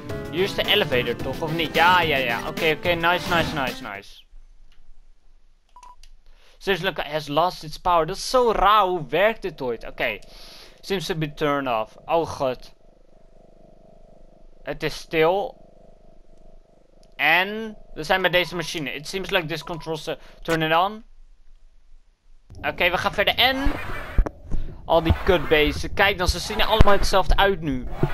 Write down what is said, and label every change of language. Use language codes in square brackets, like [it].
[nl] Hier is de elevator toch, of niet? Ja, ja, ja. Oké. Nice, nice, nice, nice. [en] Seriously, look, has lost its power. [nl] Dat is zo raar. Hoe werkt dit ooit? Oké. [en] Seems to be turned off. Oh, god. [nl] Het is stil. En we zijn bij deze machine. [en] It seems like this controls to turn it on. [nl] Oké, we gaan verder. En... Al die kutbeesten. Kijk dan, ze zien er allemaal hetzelfde uit nu.